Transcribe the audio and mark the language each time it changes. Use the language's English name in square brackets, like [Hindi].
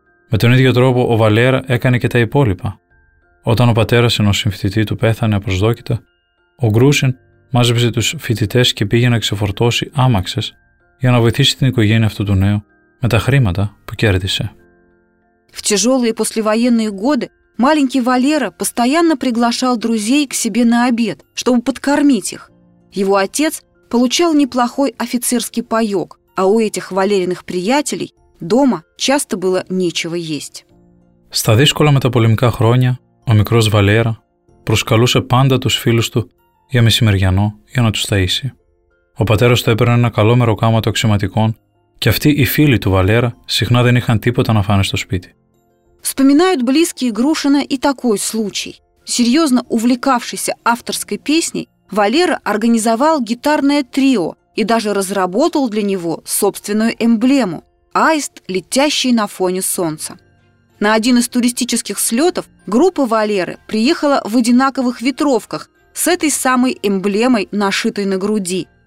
[Greek] Με τον ίδιο τρόπο, ο Βαλέρα έκανε και τα υπόλοιπα. Όταν ο πατέρας ενός συμφοιτητή του πέθανε απροσδόκητα, ο Γκρούσιν μάζεψε τους φοιτητές και πήγε να ξεφορτώσει άμαξες για να βοηθήσει την οικογένεια αυτού του νέου με τα χρήματα που κέρδισε. [Russian] В тяжелые послевоенные годы маленький Валера постоянно приглашал друзей к себе на обед, чтобы подкормить их. Его отец получал неплохой офицерский паёк, а у этих Валериных приятелей дома часто было нечего есть. [Greek] Στα δύσκολα μεταπολεμικά χρόνια, ο μικρός Βαλέρα προσκαλούσε πάντα τους φίλους του για μεσημεριανό για να τους ταΐσει. Ο πατέρας του έπαιρνε ένα καλό μεροκάματο αξιωματικών και αυτοί οι φίλοι του Βαλέρα συχνά δεν είχαν τίποτα να φάνε στο σπίτι. [Russian] Вспоминают близкие Грушина и такой случай. Серьезно увлекавшийся авторской песней, Валера организовал гитарное трио и даже разработал для него собственную эмблему – аист, летящий на фоне солнца. На один из туристических слетов группа Валеры приехала в одинаковых ветровках с этой самой эмблемой, нашитой на груди.